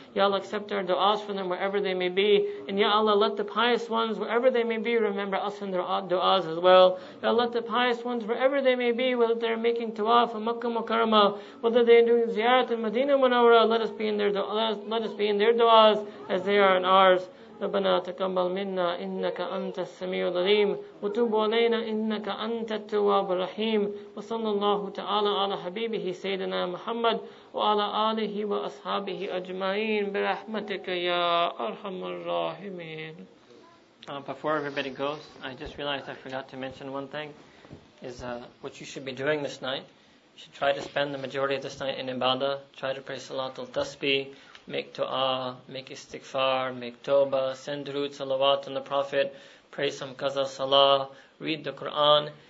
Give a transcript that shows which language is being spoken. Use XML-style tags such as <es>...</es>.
<en>Ya Allah, accept our du'as for them wherever they may be. And Ya Allah, let the pious ones, wherever they may be, remember us in their du'as as well. Ya Allah, let the pious ones, wherever they may be, whether they're making tawaf in Makkah Mukarramah, whether they're doing ziyarat in Medina Munawwarah, let us be in their du'as as they are in ours.</en> <ar>ربنا تقبل منا إنك أنت السميع العليم وتوب علينا إنك أنت التواب الرحيم وصلى الله تعالى على حبيبه سيدنا محمد وعلى آله وأصحابه أجمعين برحمتك يا أرحم الراحمين.</ar> <en>Before everybody goes, I just realized I forgot to mention one thing. Is what you should be doing this night. You should try to spend the majority of this night in ibadah. Try to pray Salatul Tasbih. Make tu'a, make istighfar, make tawbah, send durood salawat on the Prophet, pray some qaza salah, read the Quran.</en>